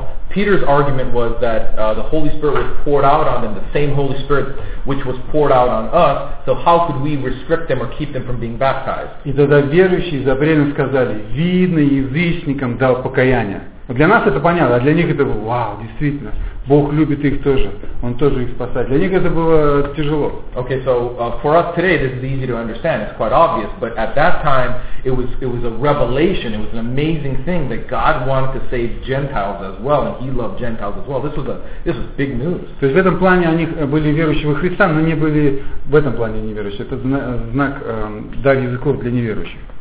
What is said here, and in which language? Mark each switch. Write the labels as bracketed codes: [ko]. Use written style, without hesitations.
[en] Peter's argument was that the Holy Spirit was poured out on them, the same Holy Spirit which was poured out on us, so how could we restrict them or keep them from being baptized? [ru] И тогда верующие из Абрена сказали, видно, язычникам дал покаяние. Для нас это понятно, а для них это было, вау, действительно, Бог любит их тоже, Он тоже их спасает. Для них это было тяжело. [en] Okay, so for us today this is easy to understand, it's quite obvious, but at that time it was a revelation, it was an amazing thing that God wanted to save Gentiles as well, and He loved Gentiles as well. This was big news. [ru] То есть в этом плане они были верующие во Христа, но не были в этом плане неверующие. Это знак дар языков для неверующих.